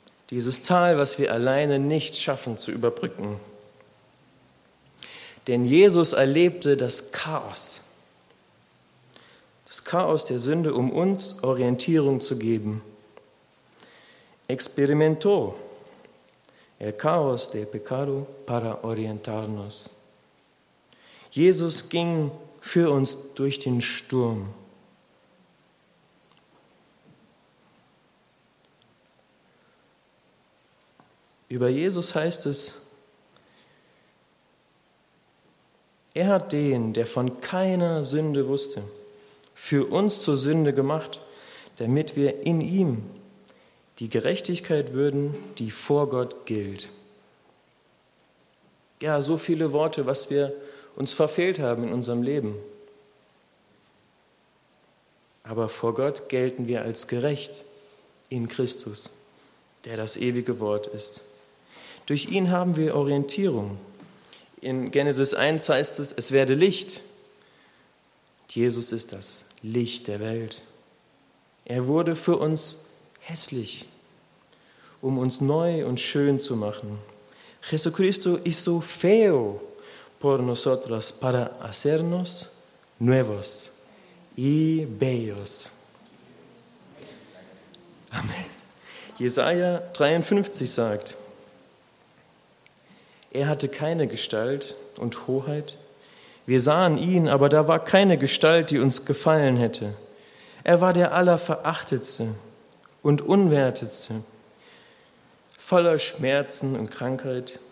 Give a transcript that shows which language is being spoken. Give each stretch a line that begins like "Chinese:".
German: Dieses Tal, was wir alleine nicht schaffen zu überbrücken. Denn Jesus erlebte das Chaos. Das Chaos der Sünde, um uns Orientierung zu geben.
Spanish: Experimentó el caos del pecado para orientarnos.
German: Jesus ging für uns durch den Sturm. Über Jesus heißt es, er hat den, der von keiner Sünde wusste, für uns zur Sünde gemacht, damit wir in ihm die Gerechtigkeit würden, die vor Gott gilt. Ja, so viele Worte, was wir uns verfehlt haben in unserem Leben. Aber vor Gott gelten wir als gerecht in Christus, der das ewige Wort ist. Durch ihn haben wir Orientierung. In Genesis 1 heißt es, es werde Licht. Jesus ist das Licht der Welt. Er wurde für uns hässlich, um uns neu und schön zu machen.
Spanish: Jesucristo hizo feo por nosotros para hacernos nuevos y bellos.
German: Amen. Jesaja 53 sagt, er hatte keine Gestalt und Hoheit. Wir sahen ihn, aber da war keine Gestalt, die uns gefallen hätte. Er war der Allerverachtetste und Unwertetste, voller Schmerzen und Krankheit.